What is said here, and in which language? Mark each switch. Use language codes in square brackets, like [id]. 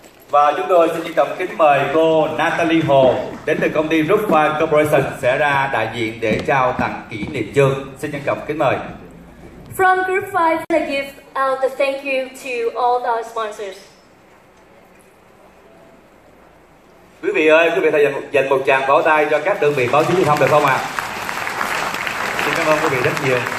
[vi] Và chúng tôi xin trân trọng kính mời cô Natalie Hồ đến từ công ty Rupa Corporation sẽ ra đại diện để trao tặng kỷ niệm chương. Xin trân trọng kính mời. [en] From Group 5, I give out the thank you to all our sponsors. [vi] Quý vị ơi, quý vị hãy dành một tràng vỗ tay cho các đơn vị báo chí truyền thông được không ạ? Xin cảm ơn quý vị rất nhiều.